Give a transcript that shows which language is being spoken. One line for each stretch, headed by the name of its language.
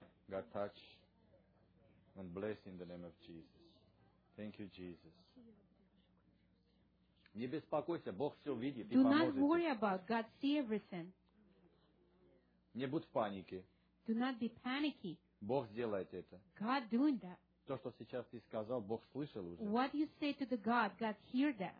English: God, touch and bless in the name of Jesus. Thank you, Jesus.
Russian: Не беспокойся, Бог все видит и поможет.
English: Do not worry about God. See everything.
Russian: Не будь в панике.
English: Do not be panicky.
Russian: Бог сделает это.
English: God doing that.
Russian: То, что сейчас ты сказал, Бог слышал уже.
English: What you say to the God, God hear that.